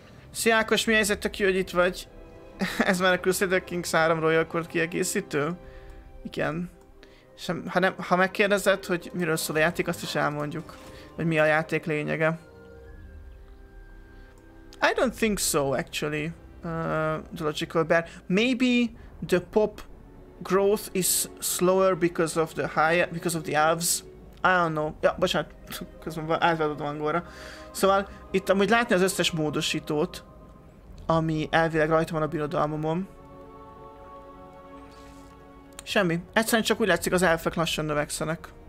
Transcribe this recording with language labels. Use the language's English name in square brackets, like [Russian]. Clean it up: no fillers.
[Hungarian] Szia Ákos, mi helyzet, tök jó, hogy itt vagy? Ez már a Crusader Kings 3 Royal Court kiegészítő? Igen. Sem, ha, nem, ha megkérdezed, hogy miről szól a játék, azt is elmondjuk, hogy mi a játék lényege. [English] I don't think so, actually, the logical bear. Maybe the pop growth is slower because of the high, because of the elves. I don't know. [Hungarian] Ja, bocsánat, közben átváltottam angolra. Szóval, itt amúgy látni az összes módosítót, ami elvileg rajta van a birodalmomon. Semmi. Egyszerűen csak úgy látszik, az elfek lassan növekszenek.